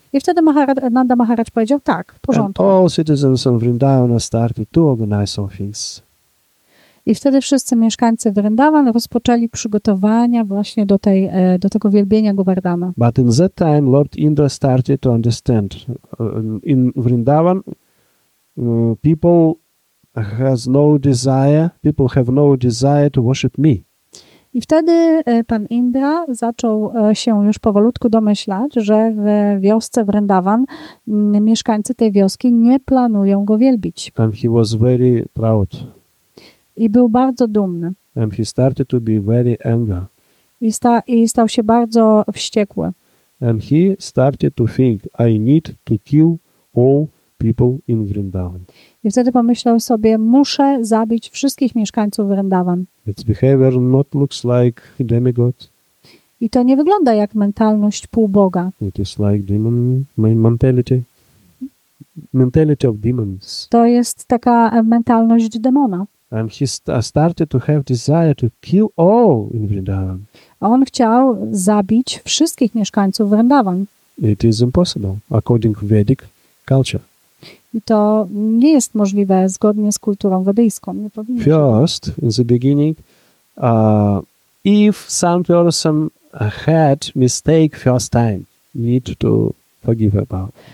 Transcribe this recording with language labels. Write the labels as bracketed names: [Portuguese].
[Polish] I wtedy Nanda Maharaj powiedział, tak, w porządku. [English] And all citizens of Vrindavana started to organize some things. [Polish] I wtedy wszyscy mieszkańcy Vrindavan rozpoczęli przygotowania właśnie do tego wielbienia Govardhana. [English] But in that time Lord Indra started to understand. In Vrindavan people has no desire, people have no desire to worship me. [Polish] I wtedy pan Indra zaczął się już powolutku domyślać, że w wiosce Vrindavan mieszkańcy tej wioski nie planują go wielbić. [English] And he was very proud. [Polish] I był bardzo dumny. [English] And he started to be very angry. [Polish] I stał się bardzo wściekły. [English] And he started to think, I need to kill all people in Vrindavan. [Polish] I wtedy pomyślał sobie, muszę zabić wszystkich mieszkańców Vrindavan. [English] Its behavior not looks like demigod. [Polish] I to nie wygląda jak mentalność półboga. [English] It is like demon mentality. Mentality of demons. [Polish] To jest taka mentalność demona. [English] And he started to have desire to kill all in Vrindavan. [Polish] On chciał zabić wszystkich mieszkańców Vrindavan. [English] It is impossible according to Vedic culture. [Polish] I to nie jest możliwe zgodnie z kulturą wedyjską. Nie powinno [English] First, in the beginning, if some person had mistake first time, need to forgive about.